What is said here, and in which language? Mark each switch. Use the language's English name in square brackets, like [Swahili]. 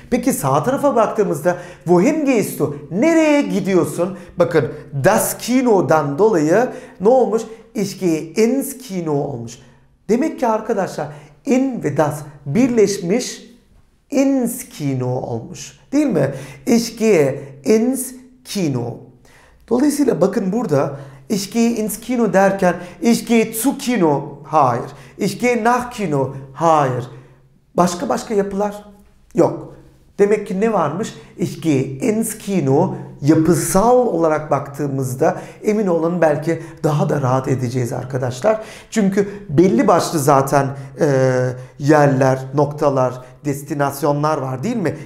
[Turkish] Peki sağ tarafa baktığımızda [German] wohin gehst du? [Turkish] Nereye gidiyorsun? Bakın das Kino'dan dolayı ne olmuş? [German] Ich gehe ins Kino [Turkish] olmuş. Demek ki arkadaşlar in ve das birleşmiş ins Kino olmuş. Değil mi? [German] Ich gehe ins Kino. [Turkish] Dolayısıyla bakın burada [German] ich gehe ins Kino [Turkish] derken [German] ich gehe zu Kino. [Turkish] Hayır. [German] Ich gehe nach Kino. Hayır. [Turkish] Başka başka yapılar yok. Demek ki ne varmış? [German] Ich gehe ins Kino [Turkish] yapısal olarak baktığımızda emin olun belki daha da rahat edeceğiz arkadaşlar. Çünkü belli başlı zaten yerler, noktalar, destinasyonlar var değil mi?